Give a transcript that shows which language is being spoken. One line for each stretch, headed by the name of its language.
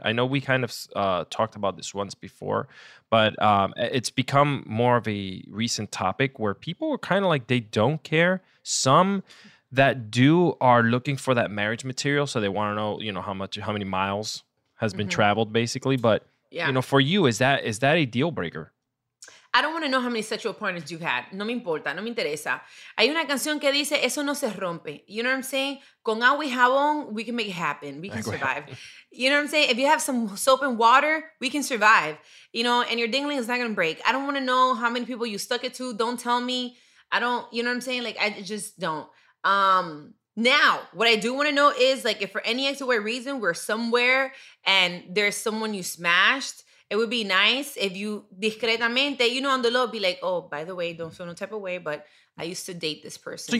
English: I know we kind of talked about this once before, but it's become more of a recent topic where people are kind of like, they don't care. Some that do are looking for that marriage material. So they want to know, you know, how many miles has been traveled, basically. But, you know, for you, is that a deal breaker? I don't want to know how many sexual partners you've had.
Spanish: No me importa. No me interesa. Hay una canción que dice, eso no se rompe.
English: You know what I'm saying?
Spanish: Con agua y jabón,
English: we can make it happen. We can survive. You know what I'm saying? If you have some soap and water, we can survive. You know, and your dingling is not going to break. I don't want to know how many people you stuck it to. Don't tell me. I don't, you know what I'm saying? Like, I just don't. Now, what I do want to know is, like, if for any X or Y reason, we're somewhere and there's someone you smashed, it would be nice if you
Spanish: discretamente,
English: you know, on the low, be like, oh, by the way, don't feel no type of way, but I used to date this person.